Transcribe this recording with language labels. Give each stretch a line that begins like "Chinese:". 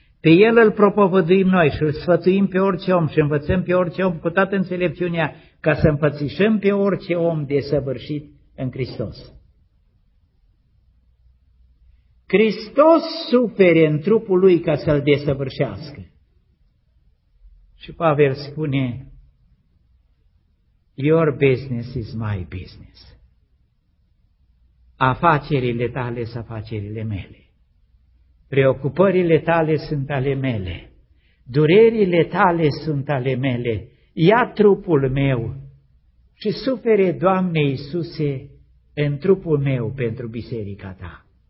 Romanian: Pe El îl propovăduim noi și îl sfătuim pe orice om și învățăm pe orice om cu toată înțelepciunea ca să înfățișăm pe orice om desăvârșit în Hristos. Hristos sufere în trupul Lui ca să-L desăvârșească. Și Pavel spune,
English: your business is my business.
Romanian: Afacerile tale sunt afacerile mele. Preocupările tale sunt ale mele. Durerile tale sunt ale mele. Ia trupul meu și sufere, Doamne Iisuse, în trupul meu pentru biserica ta.